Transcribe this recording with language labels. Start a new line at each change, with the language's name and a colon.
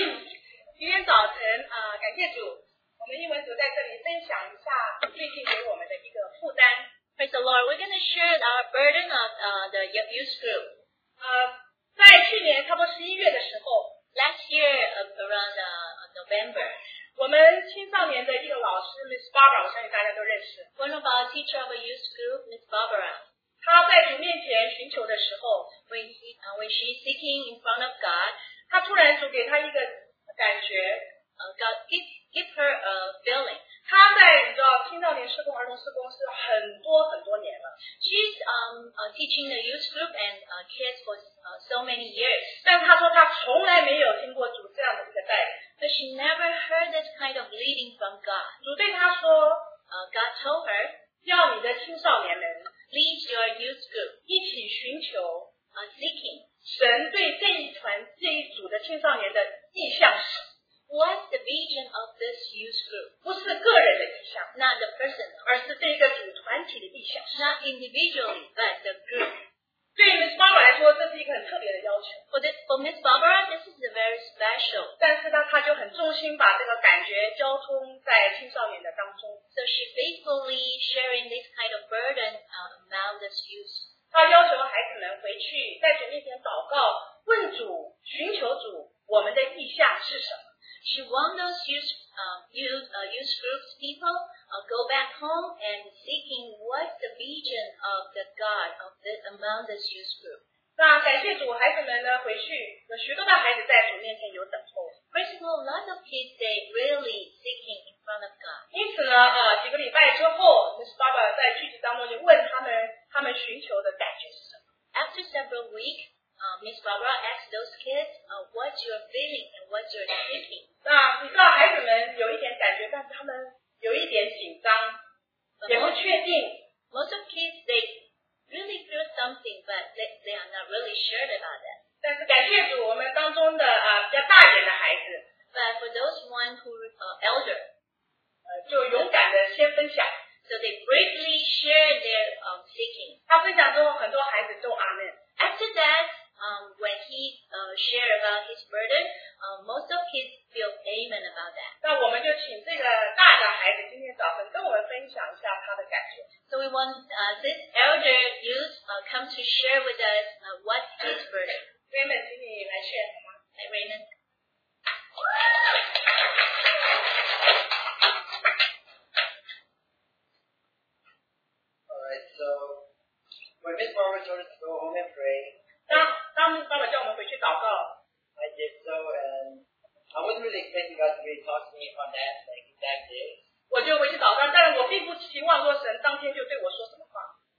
Chinese: 主，我们因为主在这里分享一下最近给我们的一个负担。
English: Praise the Lord, we're going to share our burden of the youth group.
Chinese: 在去年差不多十一月的时候
English: ，last year around November，
Chinese: 我们青少年的一个老师 Miss Barbara， 我相信大家都认识。
English: One of our teacher of a youth group, Miss Barbara，
Chinese: 她在主面前寻求的时候
English: ，when she seeking in front of God，
Chinese: 她突然主给她一个感觉
English: ，God give her a feeling。
Chinese: 她在你知道青少年施工、儿童施工是很多很多年了。
English: She's teaching the youth group and cares for so many years。
Chinese: 但她说她从来没有听过主这样的一个带领。
English: But she never heard this kind of leading from God.
Chinese: 主对她说
English: God told her,
Chinese: 要你的青少年们
English: lead your youth group,
Chinese: 一起寻求
English: seeking.
Chinese: 神对这一团这一组的青少年的意向是
English: What's the vision of this youth group?
Chinese: 不是个人的意向
English: Not the person,
Chinese: 而是这个组团体的意向
English: Not individually, but the group.
Chinese: 对 Miss Barbara 来说，这是一个很特别的要求。
English: For Miss Barbara, this is very special.
Chinese: 但是呢，她就很重心把这个感觉交通在青少年的当中。
English: So she faithfully sharing this kind of burden among this youth.
Chinese: 她要求孩子们回去在主面前祷告，问主，寻求主，我们的意向是什么
English: ？She wants those youth groups people go back home and seeking what's the vision of the God of this among this youth group.
Chinese: 那感谢主，孩子们呢回去有许多的孩子在主面前有等候。
English: First of all, lots of kids they really seeking in front of God.
Chinese: 因此呢，几个礼拜之后 ，Miss Barbara 在聚集当中就问他们寻求的感觉是什么。
English: After several weeks, Miss Barbara asked those kids, "What you're feeling and what you're thinking."
Chinese: 那你知道孩子们有一点感觉，但是他们有一点紧张，也不确定。
English: Most of kids they really feel something, but they are not really sure about that.
Chinese: 但是感谢主，我们当中的比较大一点的孩子
English: ，but for those one who elder，
Chinese: 就勇敢的先分享。
English: So they bravely share their seeking.
Chinese: 他分享之后，很多孩子都阿门。
English: After that, when he shared about his burden, most of his feel amen about that.
Chinese: 那我们就请这个大的孩子今天早晨跟我们分享一下他的感觉。
English: So we want this elder youth come to share with us what his burden.
Chinese: Raymond， 请你来 share 好吗？
English: Hey Raymond。 Miss Barbara told us to go home and pray.
Chinese: 当 Miss Barbara 叫我们回去祷告
English: I did so, and I wasn't really expecting God to really talk to me on that exact day.
Chinese: 我就回去祷告，但是我并不期望说神当天就对我说什么话。